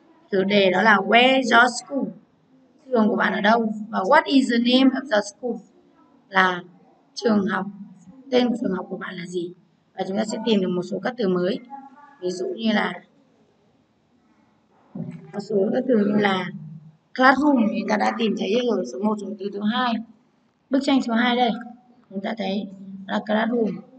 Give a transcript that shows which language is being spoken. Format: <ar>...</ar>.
<vi>Chủ đề đó là</vi> <en>Where is your school?</en> <vi>Trường của bạn ở đâu?</vi> <en>Và What is the name of the school?</en> <vi>Là trường học, tên trường học của bạn là gì? Và chúng ta sẽ tìm được một số các từ mới. Ví dụ như là một số các từ như là Classroom, chúng ta đã tìm thấy rồi. Số 1, số từ thứ 2. Bức tranh số 2 đây, chúng ta thấy là Classroom.</vi>